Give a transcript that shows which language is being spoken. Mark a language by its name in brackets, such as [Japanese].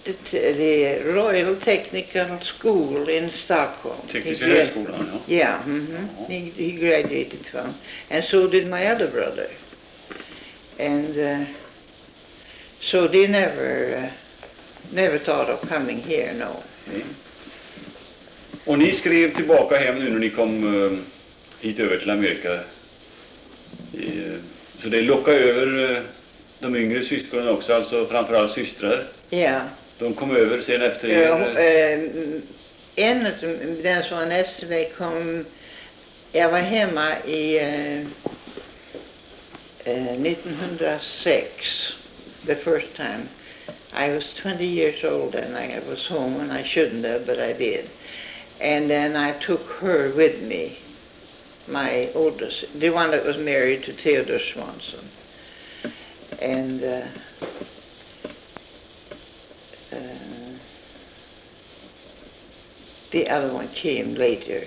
[English] The Royal Technical School in Stockholm. Technical school, yeah. Mm-hmm. Uh-huh. He graduated from, and so did my other brother. And so they never thought of coming here. No. Mm. [Swedish] Och ni skrev tillbaka hem nu när ni kom hit över till Amerika. Så det lockade över de yngre systrarna också, alltså framförallt systrar. Ja. [English] Yeah. [Swedish] De kom över sen efter er. En av dem som var nästa väg kom, jag var hemma i 1906, [English] the first time. I was 20 years old and I was home when I shouldn't have, but I did. And then I took her with me, my oldest, the one that was married to Theodor Swanson. And the other one came later.